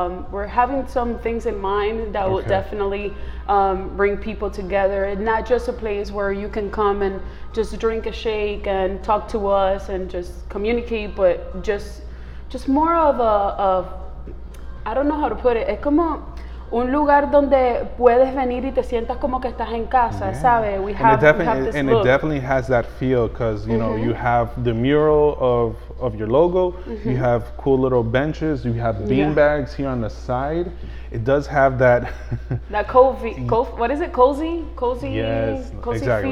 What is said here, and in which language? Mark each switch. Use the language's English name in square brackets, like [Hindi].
[English] We're having some things in mind that will definitely bring people together, and not just a place where you can come and just drink a shake and talk to us and just communicate, but just more of a I don't know how to put it, come on. [Spanish] Un lugar donde puedes venir y te sientas como que estás en casa, yeah. ¿sabes? [English] It definitely has that feel because, you, mm-hmm. know, you have the mural of your logo. Mm-hmm. You have cool little benches. You have beanbags, yeah. here on the side. It does have that... that cozy? Cozy? Yes, cozy, exactly.